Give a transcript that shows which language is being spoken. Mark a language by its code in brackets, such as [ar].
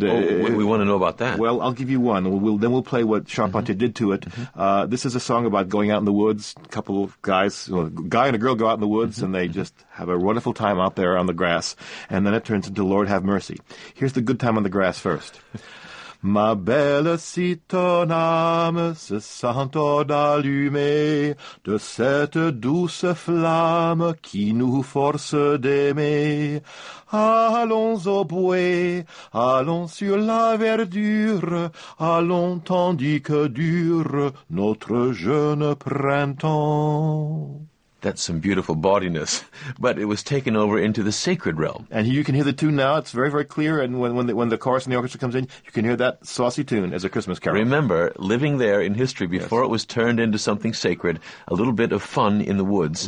[en] we want to know about that. Well, I'll give you one. We'll play what Charpentier mm-hmm. did to it. Mm-hmm. This is a song about going out in the woods. A couple of guys, well, a guy and a girl go out in the woods, mm-hmm. and they just have a wonderful time out there on the grass. And then it turns into Lord Have Mercy. Here's the good time on the grass first. [fr] Ma belle, si ton âme se sent d'allumer de cette douce flamme qui nous force d'aimer. Allons au bois, allons sur la verdure, allons tandis que dure notre jeune printemps. [en] That's some beautiful bodiness, but it was taken over into the sacred realm. And you can hear the tune now. It's very, very clear. And when the chorus and the orchestra comes in, you can hear that saucy tune as a Christmas carol. Remember, living there in history before it was turned into something sacred, a little bit of fun in the woods.